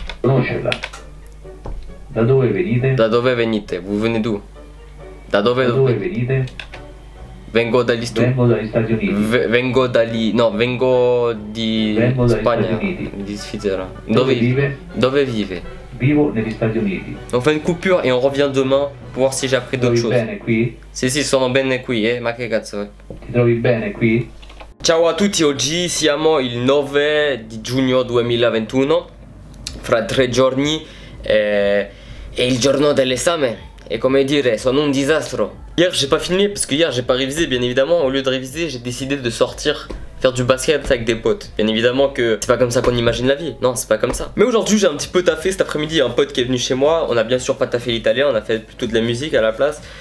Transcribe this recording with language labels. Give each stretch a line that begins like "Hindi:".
Italian: Conoscerla. Da dove venite?
French: Vous venez d'où?
Italian: Da dove venite? Vengo dagli Stati Uniti. Vengo di Spagna. Di Svizzera. Dove vive? Vivo negli Stati Uniti.
French: On fait une coupure et on revient demain pour voir si j'ai appris d'autres choses.
Italian: Ti trovi bene qui? Si, sono bene qui, ma che cazzo è? Ti trovi bene qui? Ciao a tutti, oggi siamo il 9 di giugno 2021. Fra tre giorni è il giorno dell'esame.
French: Et comme dire, c'est un désastre. Hier, j'ai pas filmé parce que hier, j'ai pas révisé, bien évidemment. Au lieu de réviser, j'ai décidé de sortir faire du basket avec des potes. Bien évidemment que c'est pas comme ça qu'on imagine la vie. Non, c'est pas comme ça. Mais aujourd'hui, j'ai un petit peu taffé. Cet après-midi, un pote qui est venu chez moi. On a bien sûr pas taffé l'italien, on a fait plutôt de la musique à la place.